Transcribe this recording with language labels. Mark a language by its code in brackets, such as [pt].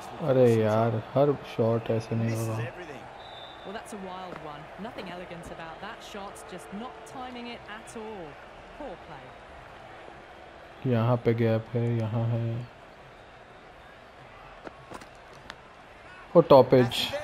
[hi] अरे यार हर शॉट ऐसे नहीं होगा। [en] Well, that's a wild one. Nothing elegant about that shot, just not timing it at all. Poor play. [hi] यहाँ पे गैप है, यहाँ है वो टॉपेज।